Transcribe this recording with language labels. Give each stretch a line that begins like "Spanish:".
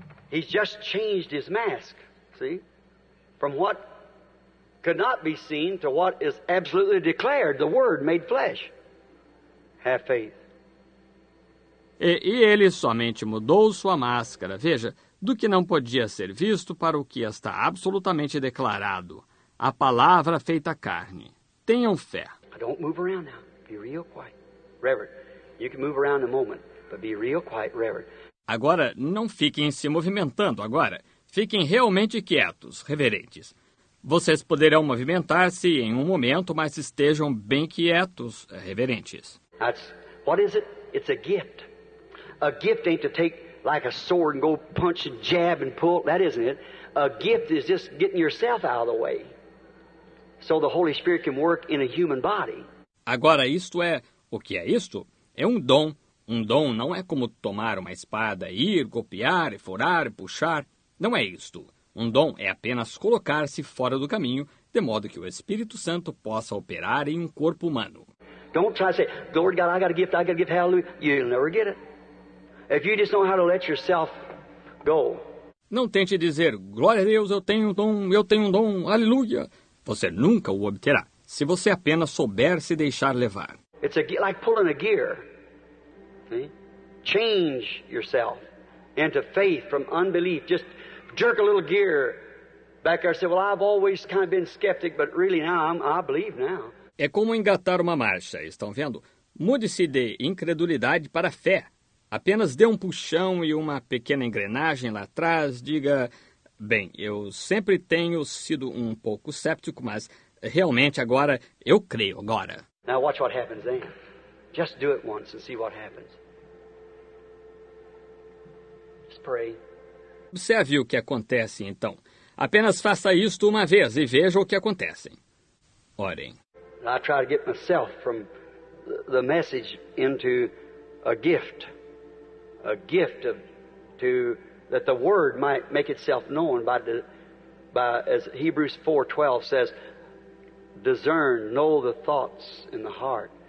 English: He's just changed his mask, see? From what could not be seen to what is absolutely declared, the word made flesh. Have faith.
Portuguese: E ele somente mudou sua máscara, veja, do que não podia ser visto para o que está absolutamente declarado. A palavra feita carne. Tenham fé.
English: I don't move around now. Be real quiet. Reverend, you can move around in a moment, but be real quiet, Reverend.
Portuguese: Agora, não fiquem se movimentando agora. Fiquem realmente quietos, reverentes. Vocês poderão movimentar-se em um momento, mas estejam bem quietos, reverentes.
English: That's, what is it? It's a gift. A gift ain't to take like a sword and go punch and jab and pull. That isn't it. A gift is just getting yourself out of the way so the Holy Spirit can work in a human body.
Portuguese: Agora, isto é, o que é isto? É um dom. Um dom não é como tomar uma espada, ir, golpear, furar, puxar. Não é isto. Um dom é apenas colocar-se fora do caminho de modo que o Espírito Santo possa operar em um corpo humano.
English: Don't try to say, Glory to God, I got a gift, I got a gift, hallelujah. You'll never get it. If you just know how to let yourself go.
Portuguese: Não tente dizer, Glória a Deus, eu tenho um dom, aleluia. Você nunca o obterá, se você apenas souber se deixar levar.
English: It's a, like pulling a gear. See? Change yourself into faith from unbelief. Just jerk a little gear back there and say, well, I've always kind of been skeptic, but really now I believe now.
Portuguese: É como engatar uma marcha, estão vendo? Mude-se de incredulidade para fé. Apenas dê um puxão e uma pequena engrenagem lá atrás. Diga, bem, eu sempre tenho sido um pouco cético, mas realmente agora eu creio agora.
English: Now watch what happens then. Just do it once and see what happens. Just pray.
Portuguese: Observe o que acontece então. Apenas faça isto uma vez e veja o que acontece. Orem.
English: I try to get myself from the message into a gift of, to that the word might make itself known by the, by as Hebrews 4:12 says, discern, know the thoughts in the heart.